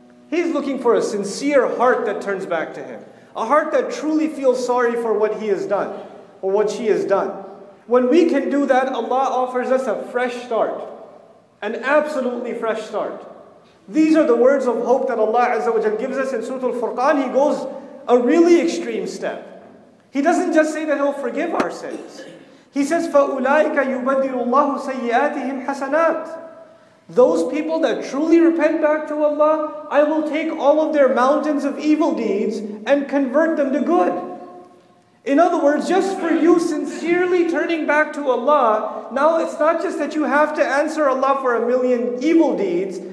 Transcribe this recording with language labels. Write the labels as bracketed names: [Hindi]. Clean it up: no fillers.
[English] He's looking for a sincere heart that turns back to Him. A heart that truly feels sorry for what He has done, or what she has done. When we can do that, Allah offers us a fresh start. An absolutely fresh start. These are the words of hope that Allah Azza wa Jalla gives us in Surah Al-Furqan. He goes a really extreme step. He doesn't just say that He'll forgive our sins. He says, [Arabic] فَأُولَٰئِكَ يُبَدِّلُ اللَّهُ سَيِّئَاتِهِمْ حَسَنَاتٍ. [English] Those people that truly repent back to Allah, I will take all of their mountains of evil deeds and convert them to good. In other words, just for you sincerely turning back to Allah, now it's not just that you have to answer Allah for a million evil deeds.